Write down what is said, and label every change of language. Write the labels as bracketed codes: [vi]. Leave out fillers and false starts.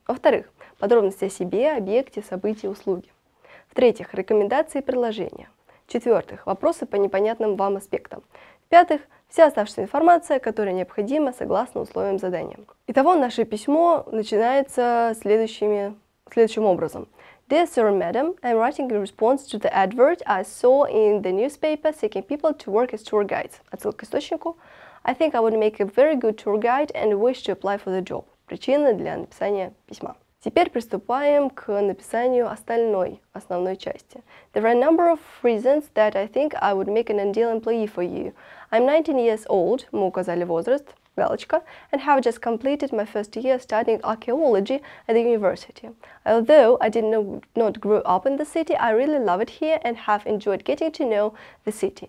[ru] Во-вторых, подробности о себе, объекте, событии, услуги. В-третьих, рекомендации и предложения. В-четвертых, вопросы по непонятным вам аспектам. В-пятых, вся оставшаяся информация, которая необходима согласно условиям задания. Итого, наше письмо начинается следующим образом. [en] Dear sir and madam, I'm writing in response to the advert I saw in the newspaper seeking people to work as tour guides. [ru] Отсылка к источнику. [en] I think I would make a very good tour guide and wish to apply for the job. [ru] Причина для написания письма. Теперь приступаем к написанию остальной, основной части. [en] There are a number of reasons that I think I would make an ideal employee for you. I'm 19 years old, [ru] мы указали возраст, галочка, [en] and have just completed my first year studying archaeology at the university. Although I did not grow up in the city, I really love it here and have enjoyed getting to know the city.